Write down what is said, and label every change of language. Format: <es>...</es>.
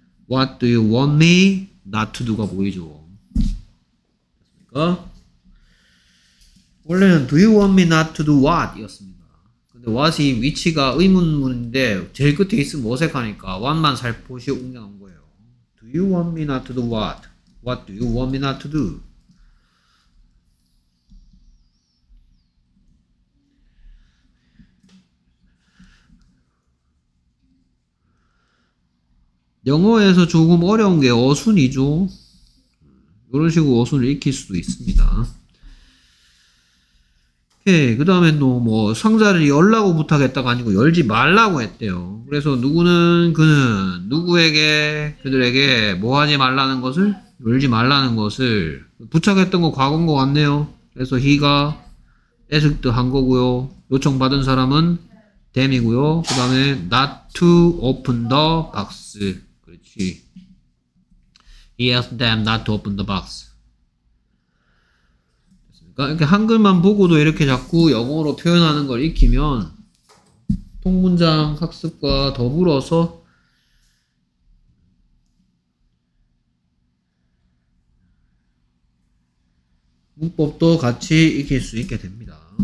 <en>What do you want me not to do가</en> <ko>보이죠. 그러니까 원래는</ko> <en>Do you want me not to do what?</en> <ko>이었습니다. 근데 what이 위치가 의문문인데 제일 끝에 있으면 어색하니까 what만 살포시 옮겨놓은 거예요.</ko> <en>Do you want me not to do what? What do you want me not to do?</en> <ko>영어에서 조금 어려운 게 어순이죠. 이런 식으로 어순을 익힐 수도 있습니다. 오케이. 그 다음에 또뭐 상자를 열라고 부탁했다가 아니고 열지 말라고 했대요. 그래서 누구는 그는 누구에게 그들에게 뭐 하지 말라는 것을 열지 말라는 것을 부탁했던 거 과거인 거 같네요. 그래서 he가 asked 한 거고요. 요청받은 사람은 them이고요. 그 다음에</ko> <en>not to open the box.</en> <ko>그렇지.</ko> <en>He asked them not to open the box.</en> <ko>이렇게 한글만 보고도 이렇게 자꾸 영어로 표현하는 걸 익히면 통문장 학습과 더불어서 문법도 같이 익힐 수 있게 됩니다.</ko>